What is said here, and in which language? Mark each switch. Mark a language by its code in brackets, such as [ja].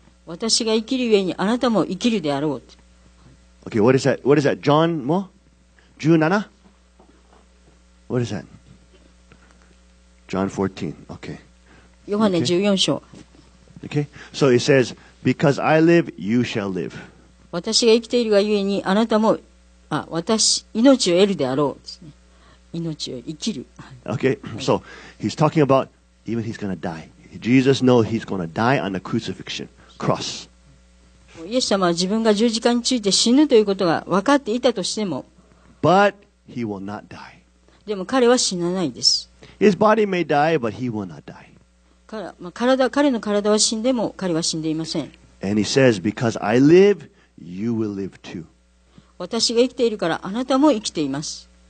[en] Okay, what is that? John, mo? 17? What is that? John 14, okay. Okay. Okay, so it says, because I live, you shall live. [ja] 私が生きているがゆえにあなたも私命を得るであろう、ね、命を生きる [en] Okay, so he's talking about even he's going to die. Jesus knows he's going to die on the crucifixion cross. [ja] イエス様は自分が十字架について死ぬということが分かっていたとしても [en] But he will not die. [ja] でも彼は死なないです [en] His body may die, but he will not die. [ja] 彼の体は死んでも彼は死んでいません [en] And he says, because I liveYou will live too. [ja] 私が生きているからあなたも生きています。